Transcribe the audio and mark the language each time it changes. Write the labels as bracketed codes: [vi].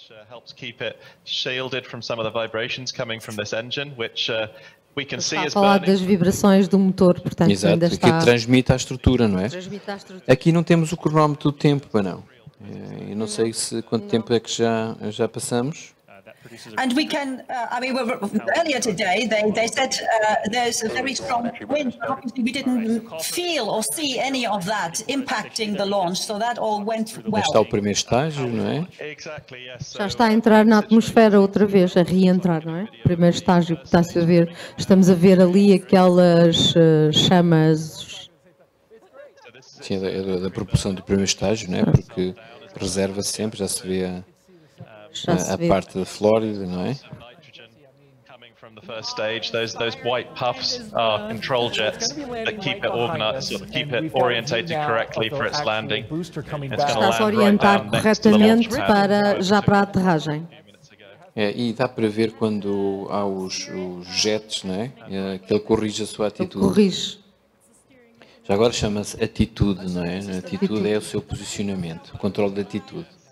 [en] Helps keep it shielded from some of the vibrations coming from this engine, which we can see as [pt] falar das vibrações do motor, portanto, exato, ainda está que transmite à estrutura, não é? Transmite à estrutura. Aqui não temos o cronómetro do tempo, não. Eu não sei quanto tempo é que já passamos. [en] And we can, I mean, earlier today, they said there's a very strong wind. Obviously, we didn't feel or see any of that impacting the launch, so that all went well. [pt] Este é o primeiro estágio, não é? Já está a entrar na atmosfera outra vez, a reentrar, não é? Primeiro estágio que está-se a ver, estamos a ver ali aquelas chamas. Sim, é da proporção do primeiro estágio, não é? Porque reserva sempre, já se vê a... A parte da Flórida, não é? [en] Coming from the first stage, those white puffs are control jets that keep it organized, sort of keep it orientated correctly for its landing. [pt] Está-se a orientar corretamente para já para a aterragem. É, e dá para ver quando há os jets, não é? Que ele corrige a sua atitude. Ele corrige. Já agora chama-se atitude, não é? Atitude é o seu posicionamento, controle de atitude.